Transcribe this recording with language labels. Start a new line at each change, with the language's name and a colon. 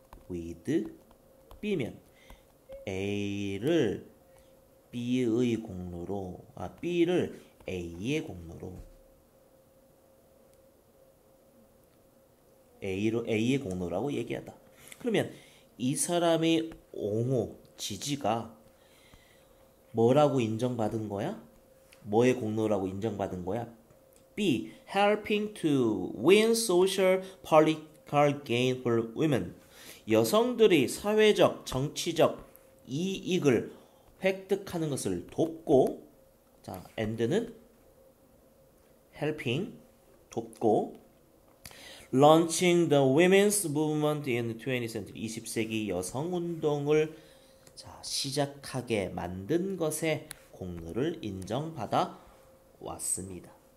Korean: with B면 A를 B의 공로로, 아, B를 A의 공로로, A의 공로라고 얘기하다. 그러면 이 사람의 옹호, 지지가 뭐라고 인정받은 거야? 뭐의 공로라고 인정받은 거야? B.
English: Helping to win social political gain for women.
Korean: 여성들이 사회적, 정치적 이익을 획득하는 것을 돕고, 자, and는 helping, 돕고,
English: launching the women's movement in the 20th century,
Korean: 20세기 여성 운동을 자, 시작하게 만든 것에 공로를 인정받아 왔습니다.